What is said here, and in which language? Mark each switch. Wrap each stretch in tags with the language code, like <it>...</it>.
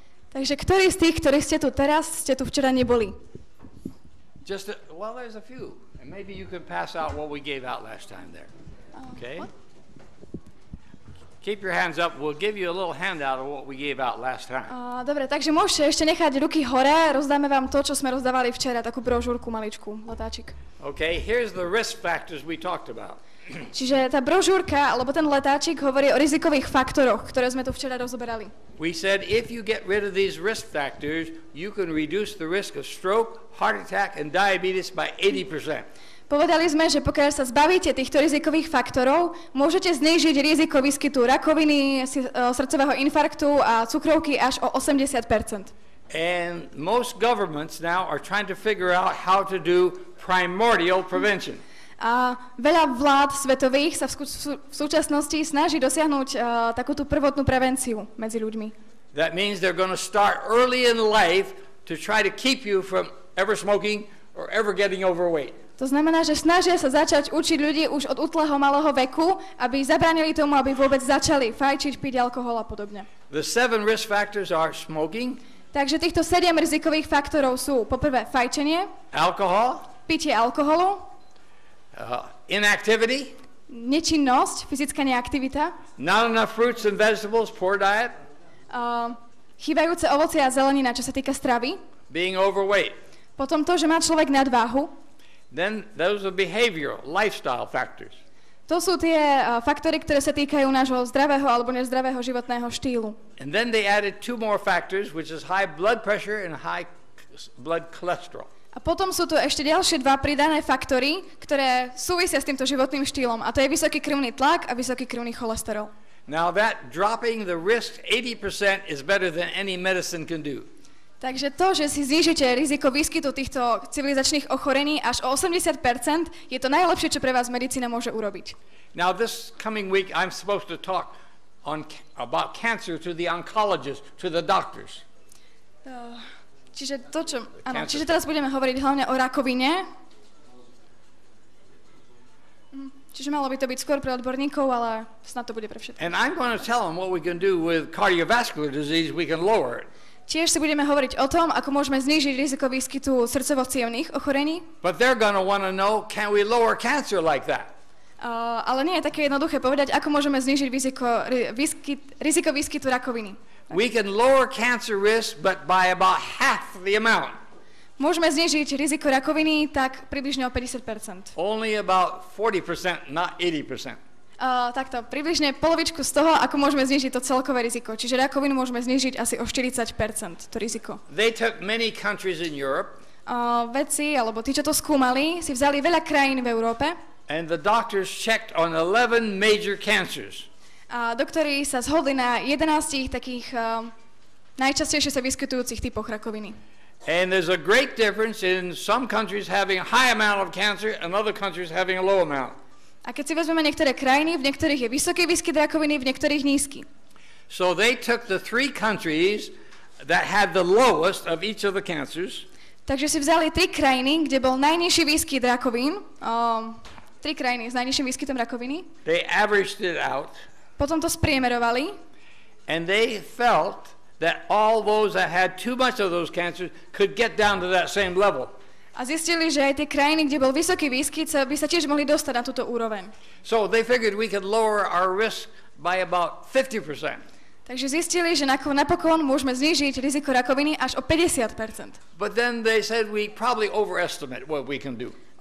<sk>Takže ktorí z tých, ktorí ste tu teraz, ste tu včera neboli?</sk> <en>There's a few. And maybe you can pass out what we gave out last time there. Okay? Keep your hands up. We'll give you a little handout of what we gave out last time.</en> <sk>Dobre, takže môžete ešte nechať ruky hore. Rozdáme vám to, čo sme rozdávali včera, takú brožúrku maličku, letáčik.</sk> <en>Okay, here's the risk factors we talked about.</en> <sk>Čiže tá brožúrka alebo ten letáčik hovorí o rizikových faktoroch, ktoré sme tu včera rozoberali.</sk> <en>We said if you get rid of these risk factors, you can reduce the risk of stroke, heart attack and diabetes by 80%.</en> <sk>Povedali sme, že pokiaľ sa zbavíte týchto rizikových faktorov, môžete znížiť riziko výskytu rakoviny, srdcového infarktu a cukrovky až o 80%.</sk> <en>And most governments now are trying to figure out how to do primordial prevention.</en> <sk>A veľa vlád svetových sa v súčasnosti snaží dosiahnuť takúto prvotnú prevenciu medzi ľuďmi.</sk> <en>That means they're going to start early in life to try to keep you from ever smoking or ever getting overweight.</en> <sk>To znamená, že snažia sa začať učiť ľudí už od útleho malého veku, aby zabránili tomu, aby vôbec začali fajčiť, piť alkohol a podobne.</sk> <en>The seven risk factors are smoking.</en> <sk>Takže týchto 7 rizikových faktorov sú poprvé fajčenie, alkohol, pitie alkoholu,</sk> <en>inactivity,</en> <sk>nečinnosť, fyzická neaktivita,</sk> <en>not enough fruits and vegetables, poor diet,</en> <sk>chýbajúce ovoce a zelenina, čo sa týka stravy,</sk> <en>being overweight,</en> <sk>potom to, že má človek nadváhu,</sk> <en>then those are behavioral, lifestyle factors.</en> <sk>To sú tie faktory, ktoré sa týkajú nášho zdravého alebo nezdravého životného štýlu.</sk> <en>And then they added two more factors, which is high blood pressure and high blood cholesterol.</en> <sk>A potom sú tu ešte ďalšie dva pridané faktory, ktoré súvisia s týmto životným štýlom, a to je vysoký krvný tlak a vysoký krvný cholesterol.</sk> <en>Now that dropping the risk 80% is better than any medicine can do.</en> <sk>Takže to, že si znížite riziko výskytu týchto civilizačných ochorení až o 80%, je to najlepšie, čo pre vás medicína môže urobiť.</sk> <en>Now this coming week I'm supposed to talk on about cancer to the oncologists, to the doctors.</en> <sk>Čiže teraz budeme hovoriť hlavne o rakovine. Čiže malo by to byť skôr pre odborníkov, ale snad to bude pre všetkých.</sk> <en>And I'm going to tell them what we can do with cardiovascular disease, we can lower it.</en> <sk>Tiež si budeme hovoriť o tom, ako môžeme znížiť riziko výskytu srdcovo-cievnych ochorení.</sk> <en>But they're going to want to know, can we lower cancer like that?</en> <sk>Ale nie je také jednoduché povedať, ako môžeme znížiť riziko výskytu rakoviny.</sk> <en>We can lower cancer risk, but by about half the amount.</en> <sk>Môžeme znižiť riziko rakoviny tak približne o 50%.</sk> <en>Only about 40%, not 80%.</en> <sk>Takto, približne polovičku z toho, ako môžeme znižiť to celkové riziko. Čiže rakovinu môžeme znižiť asi o 40%, to riziko.</sk> <en>They took many countries in Europe.</en> <sk>Vedci, alebo tí, čo to skúmali, si vzali veľa krajín v Európe.</sk> <en>And the doctors checked on 11 major cancers.</en> <sk>A doktori sa zhodli na 11 takých najčastejšie sa vyskytujúcich typoch rakoviny.</sk> <en>And there's a great difference in some countries having a high amount of cancer and other countries having a low amount.</en> <sk>A keď si vezmeme niektoré krajiny, v niektorých je vysoký výskyt rakoviny, v niektorých nízky.</sk> <en>So they took the three countries that had the lowest of each of the cancers.</en> <sk>Takže si vzali tri krajiny, kde bol najnižší výskyt rakovín, tri krajiny s najnižším výskytom rakoviny.</sk> <en>They averaged it out.</en> <sk>Potom to spriemerovali.</sk> <en>And they felt that all those that had too much of those cancers could get down to that same level.</en> <sk>A zistili, že aj tie krajiny, kde bol vysoký výskyt, by sa tiež mohli dostať na túto úroveň.</sk> <en>So they figured we could lower our risk by about 50%.</en> <sk>Takže zistili, že napokon môžeme znížiť riziko rakoviny až o 50%.</sk> <en>But then they said we probably overestimate what we can do.</en>